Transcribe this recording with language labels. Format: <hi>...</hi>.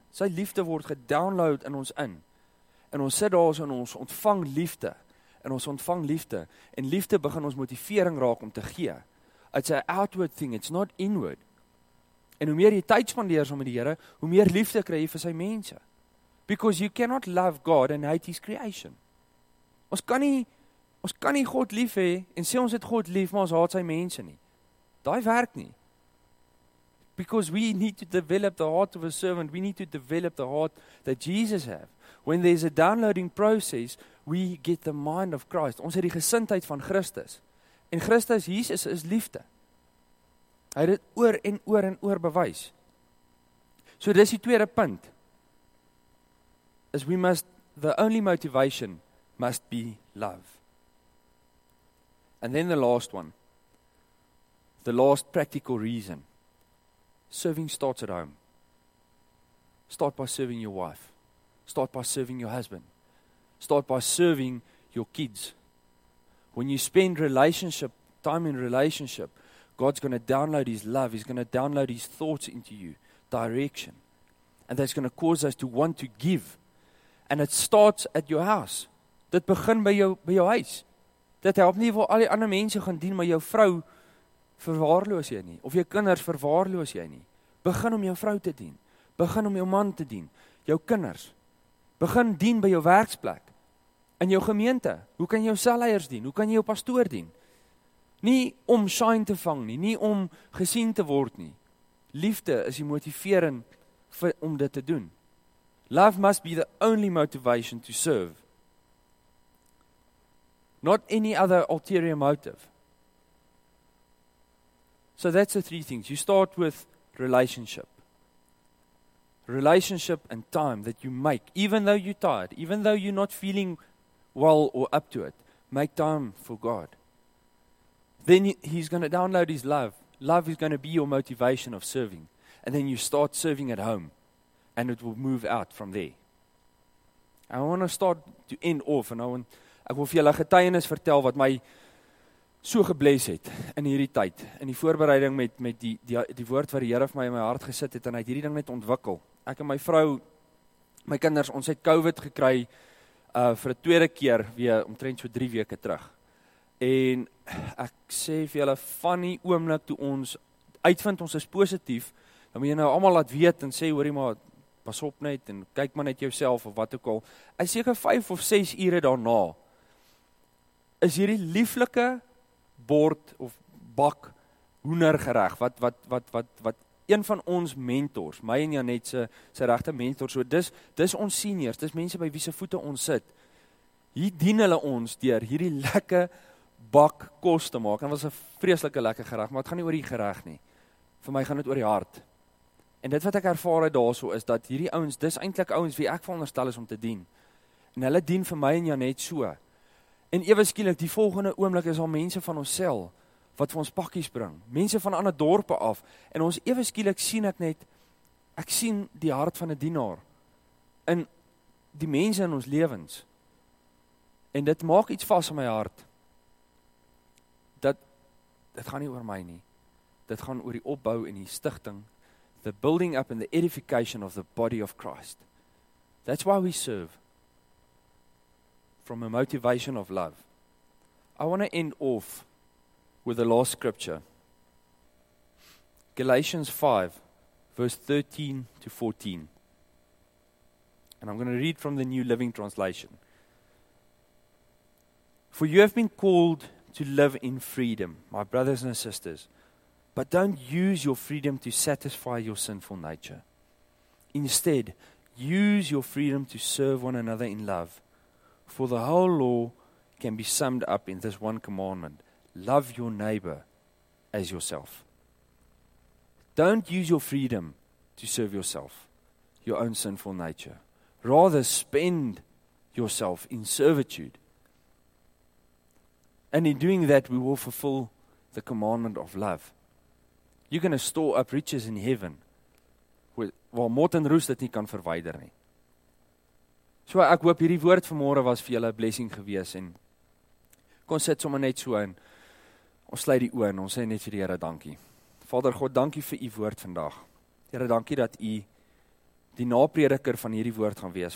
<af>Sy liefde word gedownload in ons in. En ons sit daar en ons ontvang liefde. En ons ontvang liefde. En liefde begin ons motivering raak om te gee.</af> <en>It's an outward thing, it's not inward.</en> <af>En hoe meer jy tyd spandeer saam met die Here, hoe meer liefde kry jy vir sy mense.</af> <en>Because you cannot love God and hate his creation.</en> <af>Ons kan nie God lief hê en sê ons het God lief, maar ons haat sy mense nie. Daai werk nie.</af> <en>Because we need to develop the heart of a servant. We need to develop the heart that Jesus have. When there's a downloading process, we get the mind of Christ.</en> <af>Ons het die gesindheid van Christus. En Christus, Jesus, is liefde. Hy het dit oor en oor en oor bewys. So dis die tweede punt.</af> <en>Is we must, the only motivation must be love. And then the last one. The last practical reason. Serving starts at home. Start by serving your wife. Start by serving your husband. Start by serving your kids. When you spend relationship, time in relationship, God's going to download His love. He's going to download His thoughts into you, direction. And that's going to cause us to want to give. And it starts at your house.</en> <af>Dit begin by jou huis. Dit help nie waar al die ander mense gaan dien, maar jou vrou verwaarloos jy nie. Of jou kinders verwaarloos jy nie. Begin om jou vrou te dien. Begin om jou man te dien. Jou kinders. Begin dien by jou werksplek. In jou gemeente. Hoe kan jy jou selleiers dien? Hoe kan jy jou pastoor dien? Nie om shine te vang nie. Nie om gesien te word nie. Liefde is die motivering vir, om dit te doen. Love must be the only motivation to serve. Not any other ulterior motive. So that's the three things. You start with relationship. Relationship and time that you make. Even though you're tired. Even though you're not feeling well or up to it. Make time for God. Then He's going to download His love. Love is going to be your motivation of serving. And then you start serving at home. And it will move out from there.</af> <en>I want to start to end off. And I want</en> <af>ek wil vir julle getuienis vertel wat my so gebless het in hierdie tyd. In die voorbereiding met die woord wat die Here vir my in my hart gesit het. En hy het hierdie ding net ontwikkel. Ek en my vrou, my kinders, ons het COVID gekry vir die tweede keer weer omtrent so 3 weke terug. En ek sê vir julle van die oomblik toe ons uitvind ons is positief. Dan moet jy nou allemaal laat weet en sê hoorie maar. Pas op net en kyk maar net jouself of wat ook al. En seker 5 of 6 ure daarna is hierdie lieflike bord of bak hoendergereg wat een van ons mentors, my en Janet se regte mentor, so dis ons seniors, dis mense by wie se voete ons sit. Hier dien hulle ons deur hierdie lekker bak kos te maak. En was 'n vreeslike lekker gereg, maar dit gaan nie oor die gereg nie. Vir my gaan dit oor die hart. En dit wat ek ervaar het daarso is dat hierdie ouens, dis eintlik ouens wie ek veronderstel is om te dien. En hulle dien vir my en Janet so. En ewe skielik, die volgende oomblik is al mense van ons sel, wat vir ons pakkies bring. Mense van ander dorpe af. En ons ewe skielik sien ek net, ek sien die hart van 'n dienaar. In die mense in ons lewens. En dit maak iets vas in my hart. Dit gaan nie oor my nie. Dit gaan oor die opbou en die stichting.</af> <en>The building up and the edification of the body of Christ. That's why we serve. From a motivation of love. I want to end off with the last scripture. Galatians 5, verse 13 to 14. And I'm going to read from the New Living Translation. For you have been called to live in freedom, my brothers and sisters. But don't use your freedom to satisfy your sinful nature. Instead, use your freedom to serve one another in love. For the whole law can be summed up in this one commandment. Love your neighbor as yourself. Don't use your freedom to serve yourself, your own sinful nature. Rather, spend yourself in servitude. And in doing that, we will fulfill the commandment of love. You're going to store up riches in heaven.</en> <af>Waar mot en roes dit nie kan verwyder nie. So ek hoop hierdie woord vanmôre was vir julle 'n blessing gewees. En kon sit sommer net so en ons sluit die oë en ons sê net vir die Here dankie. Vader God, dankie vir u woord vandag. Here, dankie dat u die naprediker van hierdie woord gaan wees.</af>